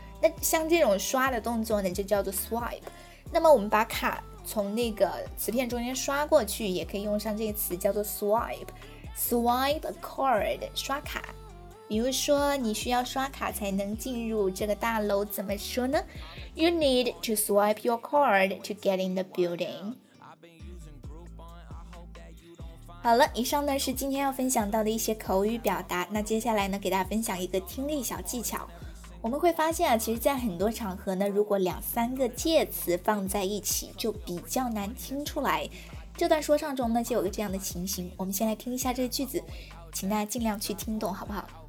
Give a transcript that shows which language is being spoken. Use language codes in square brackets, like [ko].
[zh] 那像这种刷的动作呢就叫做 swipe。那么我们把卡从那个磁片中间刷过去也可以用上这个词，叫做 swipe， [en] swipe a card， [zh] 刷卡。比如说你需要刷卡才能进入这个大楼，怎么说呢？ [en] You need to swipe your card to get in the building。 [zh] 好了，以上呢是今天要分享到的一些口语表达。那接下来呢给大家分享一个听力小技巧。我们会发现啊，其实在很多场合呢，如果两三个介词放在一起就比较难听出来。这段说唱中呢就有个这样的情形，我们先来听一下这个句子，请大家尽量去听懂好不好？